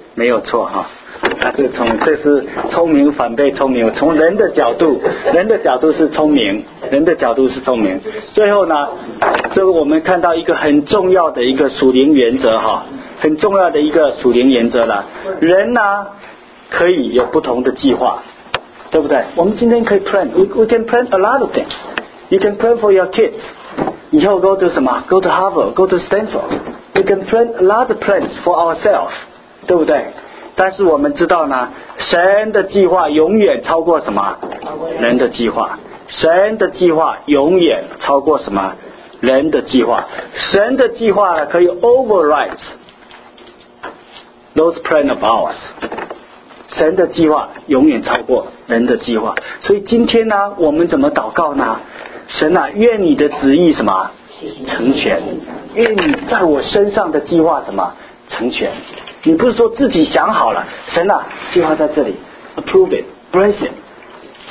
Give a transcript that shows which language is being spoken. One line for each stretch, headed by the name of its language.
Chinese: 没有错哈，他是从这是聪明反被聪明，从人的角度，人的角度是聪明，人的角度是聪明。最后呢，就我们看到一个很重要的一个属灵原则哈，很重要的一个属灵原则了。人呢、啊，可以有不同的计划，对不对？我们今天可以
English: plan， we can plan a lot of things。 You can plan for your kids.
Chinese: 以后
English: go to
Chinese: 什么？
English: Go to Harvard, go to Stanford. We can plan a lot of plans for ourselves，
Chinese: 对不对？但是我们知道呢，神的计划永远超过什么？人的计划。神的计划永远超过什么？人的计划。神的计划可以
English: override those plans of ours。
Chinese: 神的计划永远超过人的计划。所以今天呢，我们怎么祷告呢？神啊，愿你的旨意什么成全，愿你在我身上的计划什么成全。你不是说自己想好了，神啊，计划在这里
English: approve it, bless it。